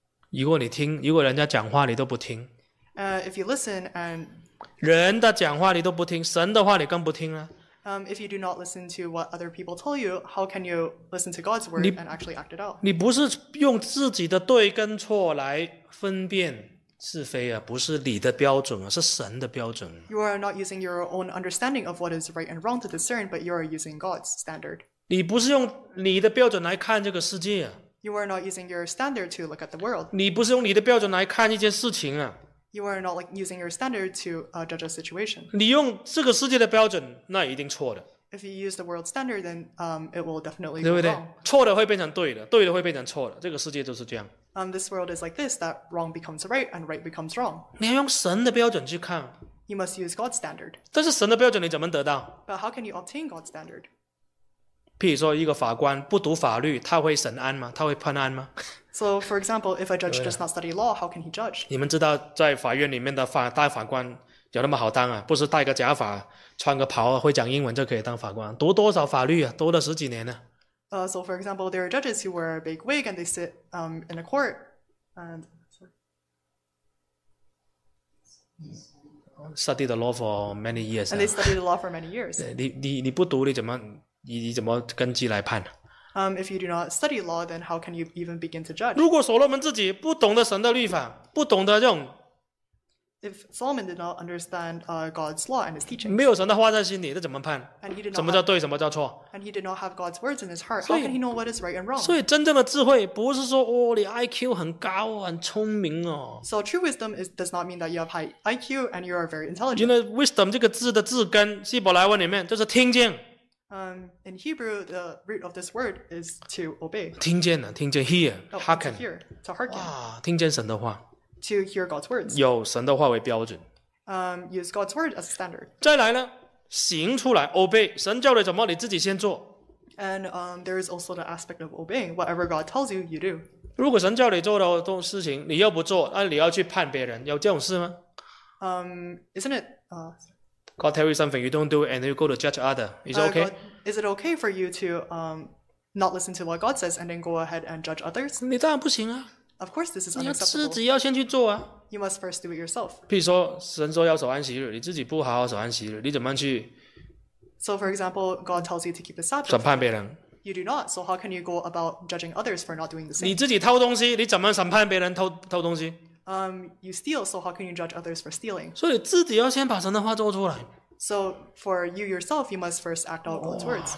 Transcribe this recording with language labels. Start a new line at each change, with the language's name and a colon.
Chinese: 如果你听，如果人家讲话你都不听。
English: If you listen and
Chinese: 人的讲话你都不听，神的话你更不听啊。
English: If you do not listen to what other people tell you, how can you listen to God's word and actually act it out?
Chinese: 你不是用自己的对跟错来分辨是非啊，不是你的标准啊，是神的标准。
English: You are not using your own understanding of what is right and wrong to discern, but you are using God's standard.
Chinese: 你不是用你的标准来看这个世界啊。
English: You are not using your standard to look at the world.
Chinese: 你不是用你的标准来看一件事情啊。
English: You are not using your standard to judge a situation.
Chinese: 你用这个世界的标准，那一定错的。
English: If you use the world standard, then it will definitely go wrong.
Chinese: 对不对？错的会变成对的，对的会变成错的，这个世界就是这样。
English: This world is like this, that wrong becomes right, and right becomes wrong.
Chinese: 你要用神的标准去看。
English: You must use God's standard.
Chinese: 但是神的标准你怎么得到？
English: But how can you obtain God's standard?
Chinese: 譬如说一个法官不读法律，他会审案吗？他会判案吗？
English: So, for example, if a judge does not study law, how can he judge?
Chinese: 你们知道在法院里面的法大法官有那么好当啊？不是戴个假发、穿个袍、会讲英文就可以当法官？读多少法律啊？读了十几年呢、啊。
English: So, for example, there are judges who wear a big wig and they sit in a court. And study the law for many years. And they study the law for many years.
Chinese: 你不读，你怎么根基来判？
English: If you do not study law, then how can you even begin to judge?
Chinese: 如果所罗门自己不懂得神的律法，不懂得这种
English: ，If Solomon did not understand God's law and his teaching,
Chinese: 没有神的话在心里，这怎么判
English: ？And he did not
Chinese: 什么叫对，什么叫错
English: ？And he did not have God's words in his heart. How can he know what is right and wrong?
Chinese: 所以真正的智慧不是说哦，你 IQ 很高，很聪明哦。
English: So true wisdom does not mean that you have high IQ and you are very intelligent.
Chinese: 因为 wisdom 这个字的字根，希伯来文里面就是听见。
English: In Hebrew, the root of this word is to obey.
Chinese: 听见了，听见
English: hear, hearken. To hear, to hearken.
Chinese: 哇，听见神的话。
English: To hear God's words.
Chinese: 有神的话为标准。
English: Use God's word as a standard.
Chinese: 再来呢，行出来 obey. 神叫你怎么，你自己先做。
English: And there is also the aspect of obeying. Whatever God tells you, you do.
Chinese: 如果神叫你做的事情，你又不做，那你要去判别人，有这种事吗？
English: Isn't it? God tell you something, you don't do it, and then you go to judge others. Is it okay? God, is it okay for you to not listen to what God says and then go ahead and judge others?
Chinese: 你当然不行啊。
English: Of course, this is unacceptable.
Chinese: 你要自己要先去做啊。
English: You must first do it yourself.
Chinese: 譬如说，神说要守安息日，你自己不好好守安息日，你怎么去
English: ？So for example, God tells you to keep the Sabbath.
Chinese: 审判别人。
English: You do not. So how can you go about judging others for not doing the same?
Chinese: 你自己偷东西，你怎么审判别人偷东西？
English: You steal, so how can you judge others for stealing?
Chinese: 所以自己要先把神的话做出来。
English: So for you yourself, you must first act out God's words.